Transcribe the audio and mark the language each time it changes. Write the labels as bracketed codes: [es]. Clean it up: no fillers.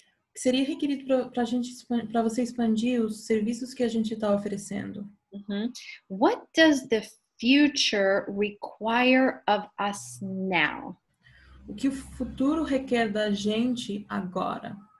[pt] O que seria requerido para você expandir os serviços que a gente está oferecendo? Uhum. [en] What does the future require of us now? [pt] O que o futuro requer da gente agora?